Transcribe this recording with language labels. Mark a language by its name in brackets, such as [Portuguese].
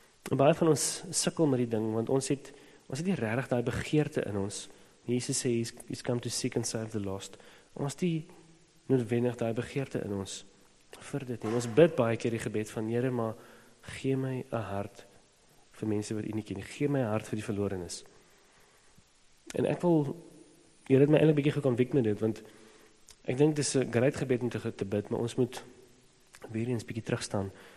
[Afrikaans] En baie van ons sukkel met die ding, want ons het die regtig daai begeerte in ons. [English] Jesus sê, he's come to seek and save the lost. [Afrikaans] Ons het die noodwendig daai begeerte in ons vir dit. En ons bid baie keer die gebed van, Here, maar gee my 'n hart vir mense wat u nie ken. Gee my 'n hart vir die verlorenes. En ek wil, Here het my eintlik 'n bietjie geconvict met dit, want ek dink dis 'n groot gebed om te bid, maar ons moet weer eens bietjie terugstaan.